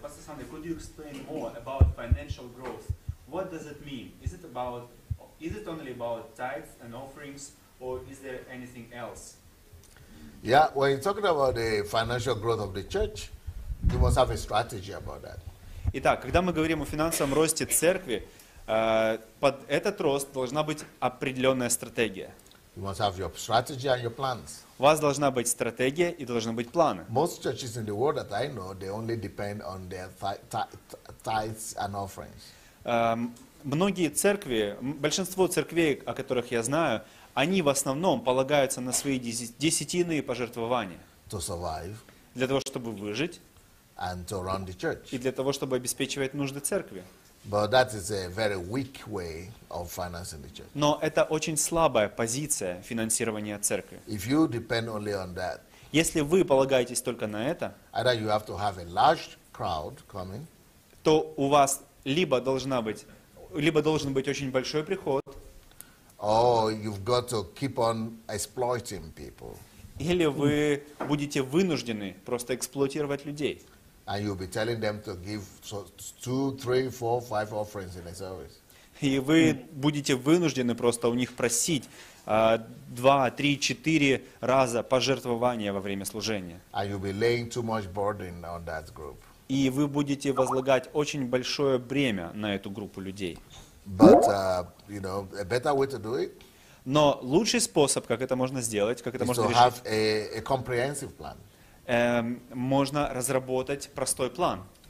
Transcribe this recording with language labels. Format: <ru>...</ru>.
<en>Pastor Sunday, could you explain more about financial growth? What does it mean? Is it only about tithes and offerings, or is there anything else? Yeah, when you're talking about the financial growth of the church, you must have a strategy about that.</en> <ru>Итак, когда мы говорим о финансовом росте церкви, под этот рост должна быть определенная стратегия.</ru> <en>You must have your strategy and your plans.</en> <ru>У вас должна быть стратегия и должны быть планы.</ru> <en>Most churches in the world that I know, they only depend on their tithes and offerings.</en> <ru>Многие церкви, большинство церквей, о которых я знаю, они в основном полагаются на свои десятины и пожертвования.</ru> <en>To survive.</en> <ru>Для того, чтобы выжить.</ru> <en>And to run the church.</en> <ru>И для того, чтобы обеспечивать нужды церкви.</ru> <en>But that is a very weak way of financing the church.</en> <ru>Но это очень слабая позиция финансирования церкви.</ru> <en>If you depend only on that,</en> <ru>если вы полагаетесь только на это,</ru> <en>either you have to have a large crowd coming,</en> <ru>то у вас либо должен быть очень большой приход,</ru> <en>or you've got to keep on exploiting people,</en> <ru>или вы будете вынуждены просто эксплуатировать людей.</ru> <en>And you'll be telling them to give two, three, four, five offerings in a service.</en> <ru>И вы будете вынуждены просто у них просить два, три, четыре раза пожертвования во время служения.</ru> <en>And you'll be laying too much burden on that group.</en> <ru>И вы будете возлагать очень большое бремя на эту группу людей.</ru> <en>But you know, a better way to do it.</en> <ru>Но лучший способ, как это можно сделать, как это можно решить.</ru> <en>Is to have a comprehensive plan.</en> <ru>Можно разработать простой план.</ru>